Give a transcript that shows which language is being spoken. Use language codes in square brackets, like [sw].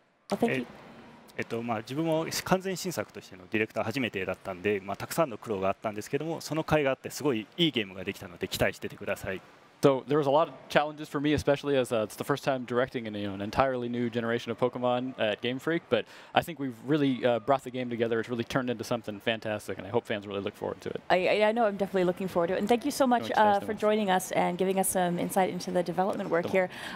[en] Well, thank you. [ja] まあ、自分も完全新作としてのディレクター初めてだったんで、まあ、たくさんの苦労があったんですけどもその甲斐があってすごいいいゲームができたので期待しててください。 [en] So there was a lot of challenges for me, especially as it's the first time directing in, you know, an entirely new generation of Pokemon at Game Freak. But I think we've really brought the game together. It's really turned into something fantastic, and I hope fans really look forward to it. I know I'm definitely looking forward to it. And thank you so much for joining us and giving us some insight into the development work here.